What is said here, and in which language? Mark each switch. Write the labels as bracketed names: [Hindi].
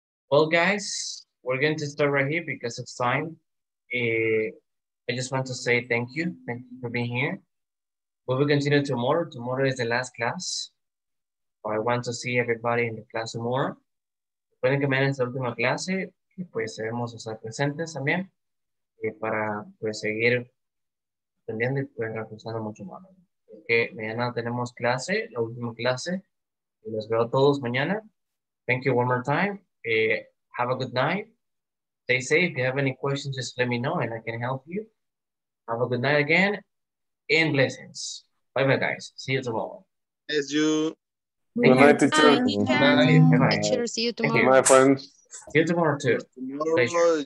[English] Well, guys, we're going to start right here because it's time. I just want to say thank you. Thank you for being here. We will continue tomorrow. Tomorrow is the last class. I want to see everybody in the class tomorrow. [Spanish] Pueden que me den esta última clase y pues debemos estar presentes también para pues seguir aprendiendo y pueden reforzarlo mucho más. Porque mañana tenemos clase, la última clase, y los veo todos mañana. [English] Thank you one more time. Have a good night. Stay safe. If you have any questions, just let me know and I can help you. Have a good night again and blessings. Bye bye, guys. See you tomorrow. As you. Good night, teacher. Good night, teacher. See you tomorrow. Bye, friends. See you tomorrow, too. Tomorrow,